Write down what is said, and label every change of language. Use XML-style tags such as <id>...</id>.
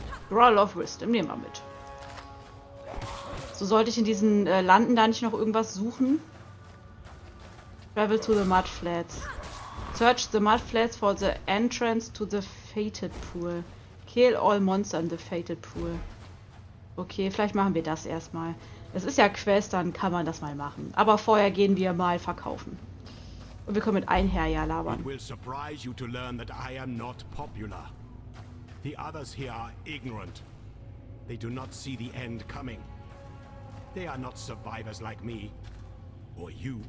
<de>Roll of Wisdom, nehmen wir mit. So, sollte ich in diesen Landen da nicht noch irgendwas suchen?</de> <en>Travel to the Mud Flats. Search the Mud Flats for the entrance to the Fated Pool. Kill all monster in the Fated Pool.</en> <de>Okay, vielleicht machen wir das erstmal. Es ist ja Quest, dann kann man das mal machen. Aber vorher gehen wir mal verkaufen. Und wir können mit einem Herr ja labern.</de> <en>It will surprise you to learn that I am not popular. The others here are ignorant. They do not see the end coming. They are not survivors like me or you.</en>